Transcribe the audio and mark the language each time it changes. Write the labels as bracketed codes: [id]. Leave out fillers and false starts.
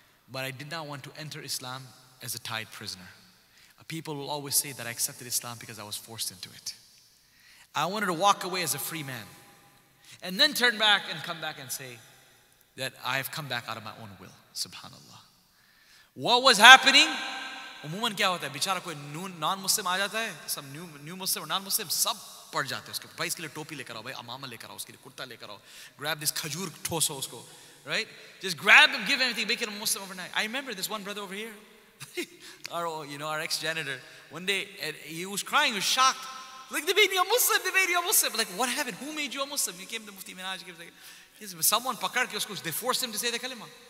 [en] But I did not want to enter Islam as a tied prisoner. People will always say that I accepted Islam because I was forced into it. I wanted to walk away as a free man. And then turn back and come back and say that I have come back out of my own will. Subhanallah. What was happening? [ur] عموماً کیا ہوتا ہے؟ بیچارہ کوئی non-Muslim آ جاتا ہے؟ [en] Some new Muslim or non-Muslim? [ur] سب پڑ جاتے ہے۔ بھائی، اسکے لیے ٹوپی لیکر آؤ۔ بھائی، عمامہ لیکر آؤ۔ اسکے لیے کرتا لیکر آؤ۔ [en] Grab this [ur] کھجور، ٹھوسو اسکو۔ [en] right? Just grab him, give him anything, make him a Muslim overnight. I remember this one brother over here, our ex-janitor, one day, and he was crying, he was shocked. Like, they made me a Muslim, they made me a Muslim. Like, what happened? Who made you a Muslim? He came to Mufti Minhaj, he was like, someone, [ur] pakar ki usko, [en] they forced him to say the kalima.